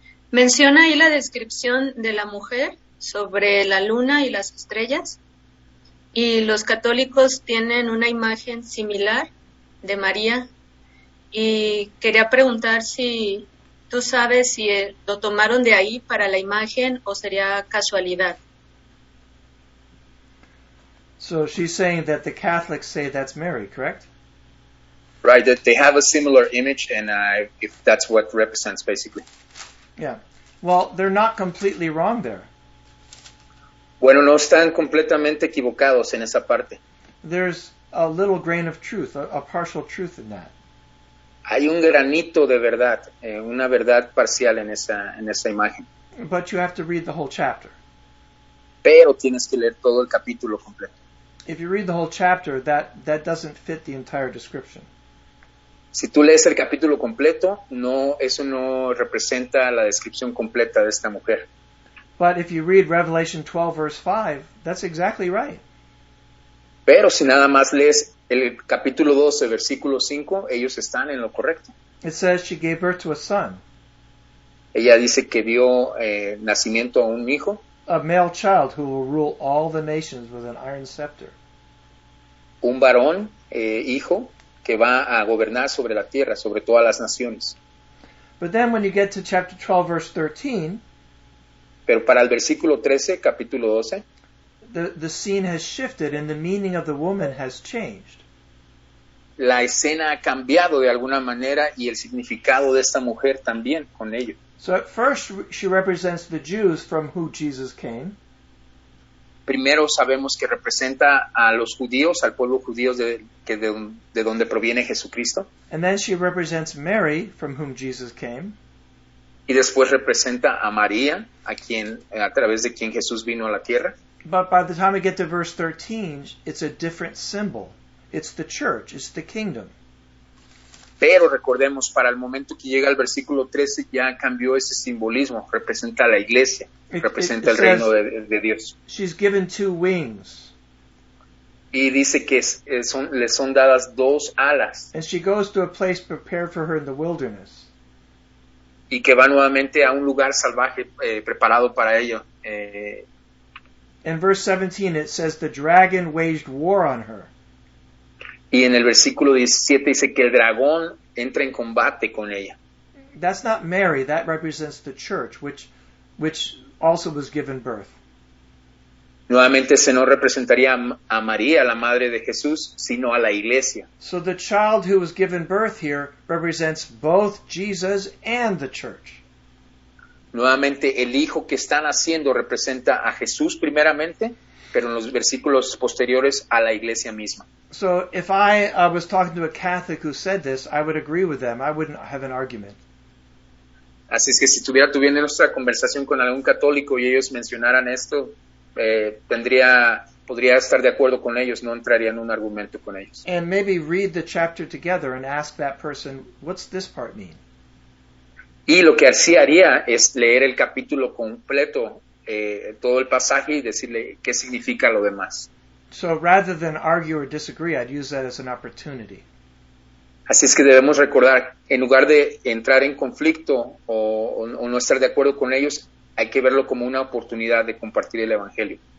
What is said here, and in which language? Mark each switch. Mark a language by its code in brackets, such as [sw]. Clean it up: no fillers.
[es] Menciona ahí la descripción de la mujer sobre la luna y las estrellas. Y los católicos tienen una imagen similar de María. Y quería preguntar si tú sabes si lo tomaron de ahí para la imagen o sería casualidad. [en] So she's saying that the Catholics say that's Mary, correct? Right, that they have a similar image, and if that's what represents, basically. Yeah. Well, they're not completely wrong there. [es] Bueno, no están completamente equivocados en esa parte. [en] There's a little grain of truth, a partial truth in that. [es] Hay un granito de verdad, una verdad parcial en esa imagen. [en] But you have to read the whole chapter. [es] Pero tienes que leer todo el capítulo completo. [en] If you read the whole chapter, that doesn't fit the entire description. [es] Si tú lees el capítulo completo, eso no representa la descripción completa de esta mujer. [en] But if you read Revelation 12, verse 5, that's exactly right. [es] Pero si nada más lees el capítulo 12, versículo 5, ellos están en lo correcto. [en] It says she gave birth to a son. [es] Ella dice que dio nacimiento a un hijo. [en] A male child who will rule all the nations with an iron scepter. [es] Un varón, hijo, que va a gobernar sobre la tierra, sobre todas las naciones. [en] But then when you get to chapter 12, verse 13. [es] Pero para el versículo 13, capítulo 12. [en] The scene has shifted and the meaning of the woman has changed. [es] La escena ha cambiado de alguna manera y el significado de esta mujer también con ello. [en] So at first she represents the Jews from who Jesus came. [es] Primero sabemos que representa a los judíos, al pueblo judío de donde proviene Jesucristo. [en] And then she represents Mary from whom Jesus came. [es] y después representa a María, a quien, a través de quien Jesús vino a la tierra. [en] But by the time we get to verse 13, it's a different symbol. It's the church, it's the kingdom. [es] Pero recordemos, para el momento que llega al versículo 13, ya cambió ese simbolismo, representa a la iglesia, representa el reino de Dios. [en] She's given two wings. [es] Y dice que le son dadas dos alas. [en] And she goes to a place prepared for her in the wilderness. [es] Y que va nuevamente a un lugar salvaje preparado para ello. [en] In verse 17, it says the dragon waged war on her. [es] Y en el versículo 17 dice que el dragón entra en combate con ella. [en] That's not Mary, that represents the church, which also was given birth. [es] Nuevamente se no representaría a María, la madre de Jesús, sino a la iglesia. [en] So the child who was given birth here represents both Jesus and the church. [es] Nuevamente el hijo que está naciendo representa a Jesús primeramente, pero en los versículos posteriores a la iglesia misma. [en] So if I was talking to a Catholic who said this, I would agree with them. I wouldn't have an argument. [es] Así es que si tuviera tuviendo nuestra conversación con algún católico y ellos mencionaran esto, podría estar de acuerdo con ellos, no entraría en un argumento con ellos. [en] And maybe read the chapter together and ask that person, what's this part mean? [es] Y lo que así haría es leer el capítulo completo, todo el pasaje y decirle qué significa lo demás. [en] So rather than argue or disagree, I'd use that as an opportunity. [es] Así es que debemos recordar, en lugar de entrar en conflicto o no estar de acuerdo con ellos, hay que verlo como una oportunidad de compartir el Evangelio.